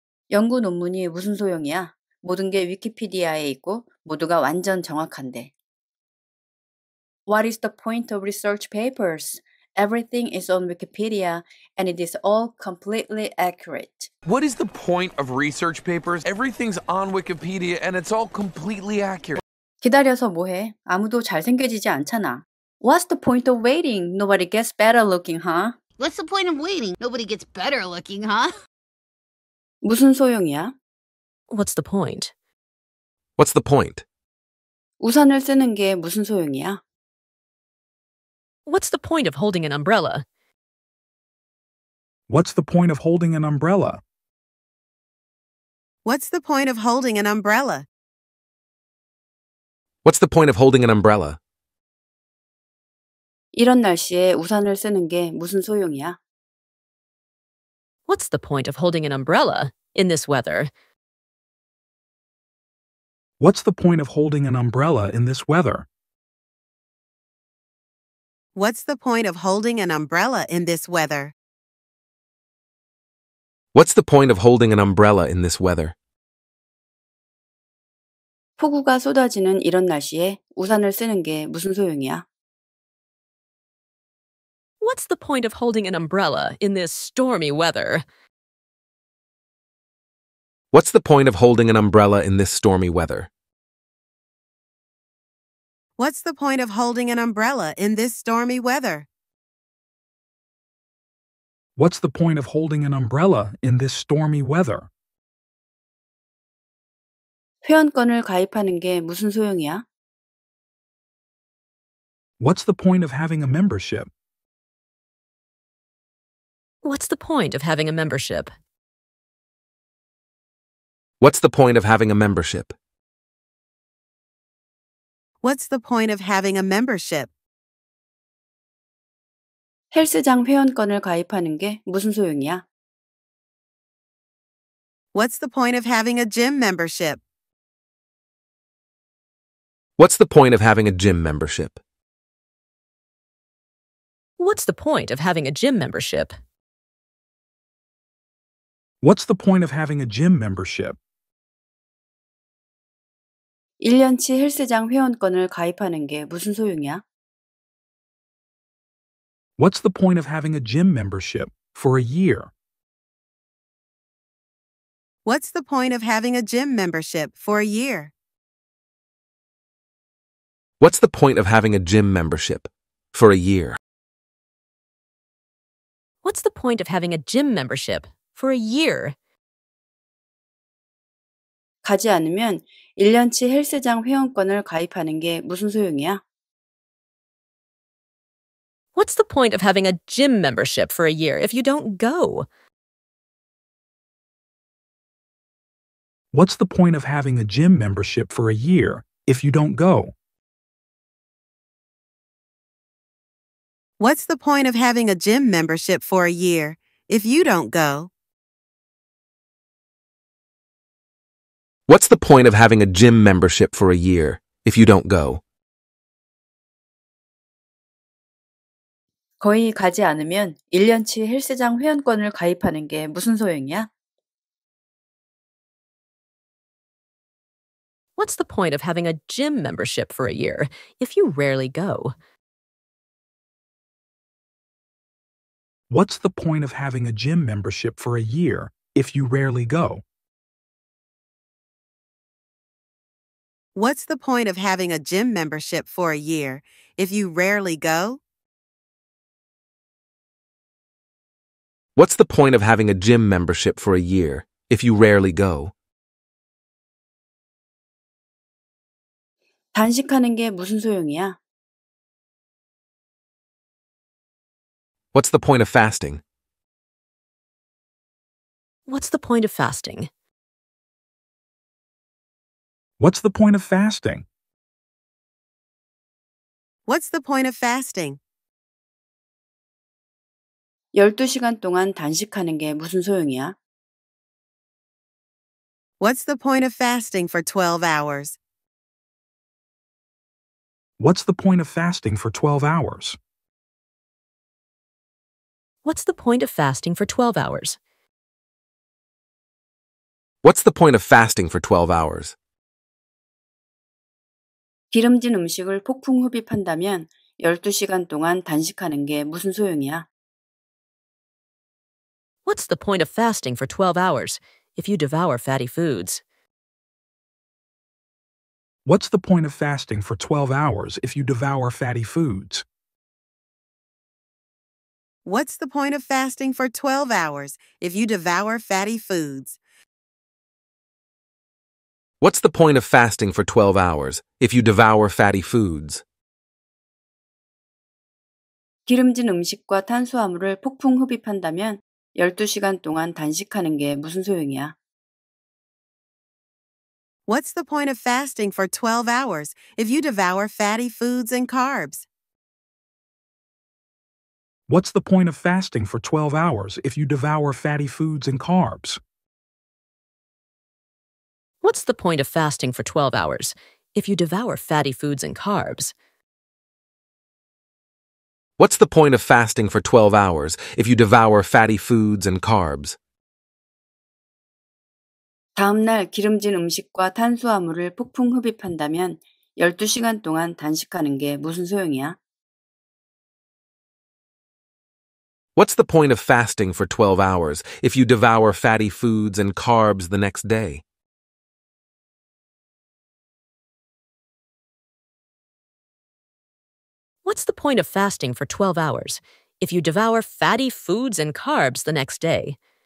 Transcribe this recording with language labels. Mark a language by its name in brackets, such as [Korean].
[Korean] 연구 논문이 무슨 소용이야? 모든 게 위키피디아에 있고 모두가 완전 정확한데. [English] What is the point of research papers? Everything is on Wikipedia, and it is all completely accurate. What is the point of research papers? Everything's on Wikipedia, and it's all completely accurate. [Korean] 기다려서 뭐해? 아무도 잘생겨지지 않잖아. [English] What's the point of waiting? Nobody gets better looking, huh? What's the point of waiting? Nobody gets better looking, huh? [Korean] 무슨 소용이야? [English] What's the point? What's the point? [Korean] 우산을 쓰는 게 무슨 소용이야? [English] What's the point of holding an umbrella? What's the point of holding an umbrella? What's the point of holding an umbrella? What's the point of holding an umbrella? [Korean] 이런 날씨에 우산을 쓰는 게 무슨 소용이야? [English] What's the point of holding an umbrella in this weather? What's the point of holding an umbrella in this weather? What's the point of holding an umbrella in this weather? What's the point of holding an umbrella in this weather? [Korean] 폭우가 쏟아지는 이런 날씨에 우산을 쓰는 게 무슨 소용이야? [English] What's the point of holding an umbrella in this stormy weather? What's the point of holding an umbrella in this stormy weather? What's the point of holding an umbrella in this stormy weather? What's the point of holding an umbrella in this stormy weather? [Korean] 회원권을 가입하는 게 무슨 소용이야? [English] What's the point of having a membership? What's the point of having a membership? What's the point of having a membership? What's the point of having a membership? [Korean] 헬스장 회원권을 가입하는 게 무슨 소용이야? [English] What's the point of having a gym membership? What's the point of having a gym membership? What's the point of having a gym membership? What's the point of having a gym membership? [Korean] 1년치 헬스장 회원권을 가입하는 게 무슨 소용이야? [English] What's the point of having a gym membership for a year? What's the point of having a gym membership for a year? What's the point of having a gym membership for a year? What's the point of having a gym membership for a year? [Korean] 가지 않으면 1년치 헬스장 회원권을 가입하는 게 무슨 소용이야? [English] What's the point of having a gym membership for a year if you don't go? What's the point of having a gym membership for a year if you don't go? What's the point of having a gym membership for a year if you don't go? What's the point of having a gym membership for a year if you don't go? [Korean] 거의 가지 않으면 1년치 헬스장 회원권을 가입하는 게 무슨 소용이야? [English] What's the point of having a gym membership for a year if you rarely go? What's the point of having a gym membership for a year if you rarely go? What's the point of having a gym membership for a year if you rarely go? What's the point of having a gym membership for a year if you rarely go? [Korean] 단식하는 게 무슨 소용이야? [English] What's the point of fasting? What's the point of fasting? What's the point of fasting? What's the point of fasting? [Korean] 12시간 동안 단식하는 게 무슨 소용이야? [English] What's the point of fasting for 12 hours? What's the point of fasting for 12 hours? What's the point of fasting for 12 hours? What's the point of fasting for 12 hours? [Korean] 기름진 음식을 폭풍 흡입한다면 12시간 동안 단식하는 게 무슨 소용이야? [English] What's the point of fasting for 12 hours if you devour fatty foods? What's the point of fasting for 12 hours if you devour fatty foods? What's the point of fasting for 12 hours if you devour fatty foods? What's the point of fasting for 12 hours if you devour fatty foods? [Korean] 기름진 음식과 탄수화물을 폭풍 흡입한다면 12시간 동안 단식하는 게 무슨 소용이야? [English] What's the point of fasting for 12 hours if you devour fatty foods and carbs? What's the point of fasting for 12 hours if you devour fatty foods and carbs? What's the point of fasting for 12 hours if you devour fatty foods and carbs? What's the point of fasting for 12 hours if you devour fatty foods and carbs? [Korean] 다음 날 기름진 음식과 탄수화물을 폭풍 흡입한다면 12시간 동안 단식하는 게 무슨 소용이야? [English] What's the point of fasting for 12 hours if you devour fatty foods and carbs the next day? What's the point of fasting for 12 hours if you devour fatty foods and carbs the next day?